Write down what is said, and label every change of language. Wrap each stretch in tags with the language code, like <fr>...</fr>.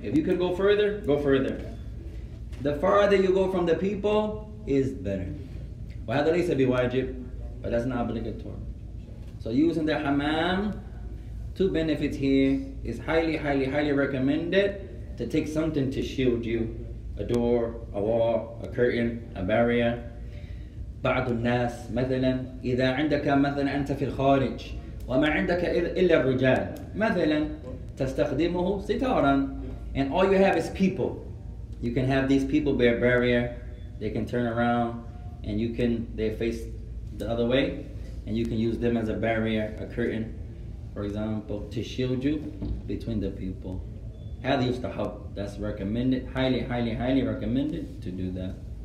<en>If you can go further, go further. The farther you go from the people is better.</en> <ar>وَهَذَا لَيْسَ بِوَاجِبْ,</ar> <en>but that's not obligatory. So using the hammam, two benefits here, is highly, highly, highly recommended to take something to shield you. A door, a wall, a curtain, a barrier.</en> <ar>بعض الناس مثلا إذا عندك مثلا أنت في الخارج وما عندك إلا الرجال مثلا تستخدمه ستارا.</ar> <en>And all you have is people. You can have these people bear barrier. They can turn around and you can, they face the other way and you can use them as a barrier, a curtain. For example, to shield you between the people.</en> <ar>هذا يستحب,</ar> <en>that's recommended, highly, highly, highly recommended to do that.</en>